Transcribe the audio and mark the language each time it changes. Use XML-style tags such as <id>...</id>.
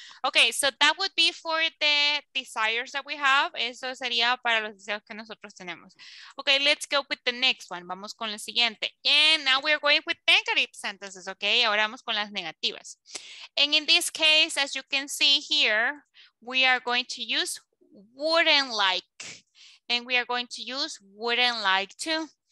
<en>Okay, so that would be for the desires that we have.</en> <es>Eso sería para los deseos que nosotros tenemos.</es> <en>Okay, let's go with the next one.</en> <es>Vamos con la siguiente.</es> <en>And now we're going with negative sentences, okay?</en> <es>Ahora vamos con las negativas.</es> <en>And in this case, as you can see here, we are going to use wouldn't like. And we are going to use wouldn't like to.</en>